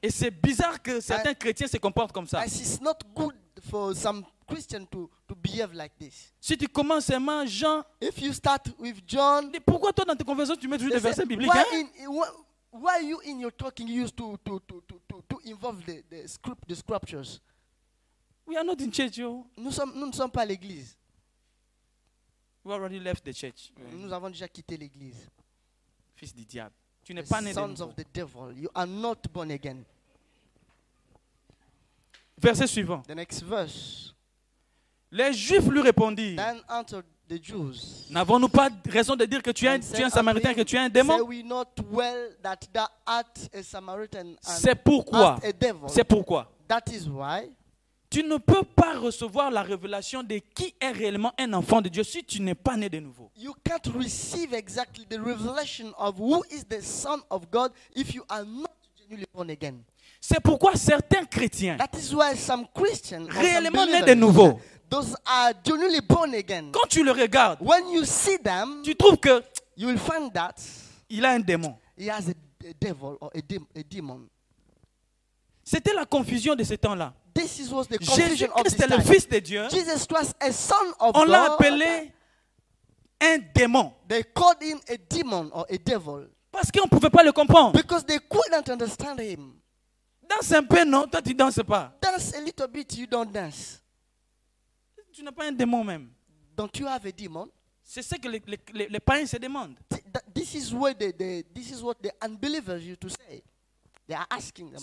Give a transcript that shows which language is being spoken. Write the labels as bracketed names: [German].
[French] Et c'est bizarre que certains chrétiens se comportent comme ça. [English] It's not good for some Christian to behave like this. [French] Si tu commences seulement Jean, [English] if you start with John, [French] mais pourquoi toi dans tes conversations tu mets toujours des versets bibliques? [English] Why you in your talking used to involve the scriptures? We are not in church, yo. [French] Nous ne sommes pas à l'église. [English] We already left the church. Mm. [French] Nous avons déjà quitté l'église. Fils du diable, tu n'es pas né de nouveau. [English] Sons of the devil, you are not born again. [French] Verset suivant. [English] The next verse. [French] Les Juifs lui répondirent. [English] Then answered the Jews. [French] N'avons-nous pas raison de dire que tu es un Samaritain, que tu es un démon? [English] Say we not well that thou art a Samaritan and a devil? [French] C'est pourquoi. [English] That is why. [French] Tu ne peux pas recevoir la révélation de qui est réellement un enfant de Dieu si tu n'es pas né de nouveau. [English] You can't receive exactly the revelation of who is the son of God if you are not genuinely born again. [French] C'est pourquoi certains chrétiens, [English] that is why some Christians, [French] réellement nés de nouveau, [English] those are genuinely born again. [French] Quand tu le regardes, [English] when you see them, [French] tu trouves que [English] you will find that [French] il a un démon. [English] He has a devil or a demon. [French] C'était la confusion de ce temps-là. [English] This was the confusion [French] Jésus-Christ [English] of this [French] est le Fils de Dieu. [English] Jesus was a son of [French] On [English] God. [French] L'a appelé un démon. [English] They called him a demon or a devil. [French] Parce qu'on ne pouvait pas le comprendre. [English] Because they couldn't understand him. [French] Danse un peu, non? Toi, tu ne danses pas. [English] Dance a little bit, you don't dance. [French] Tu n'as pas un démon même. [English] Don't you have a demon? [French] C'est ce que les païens se demandent. [English] This is what the unbelievers used to say. They are asking themselves.